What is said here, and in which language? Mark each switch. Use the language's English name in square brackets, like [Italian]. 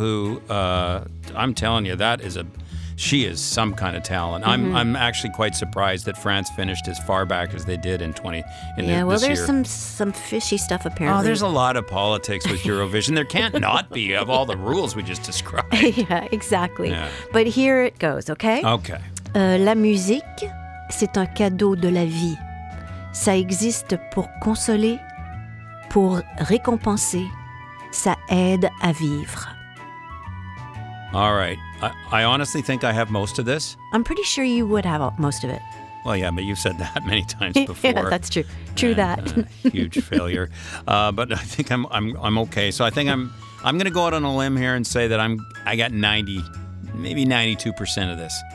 [English] who, I'm telling you, that is a... She is some kind of talent. Mm-hmm. I'm actually quite surprised that France finished as far back as they did this year. some fishy stuff apparently. Oh, there's a lot of politics with Eurovision. There can't not be of all the rules we just described. Yeah, exactly. Yeah. But here it goes, okay? Okay. [French] La musique, c'est un cadeau de la vie. Ça existe pour consoler, pour récompenser. Ça aide à vivre. [English] All right. I honestly think I have most of this. I'm pretty sure you would have most of it. Well, yeah, but you've said that many times before. Yeah, that's true. huge failure. But I think I'm okay. So I think I'm going to go out on a limb here and say that I got 90, maybe 92% of this.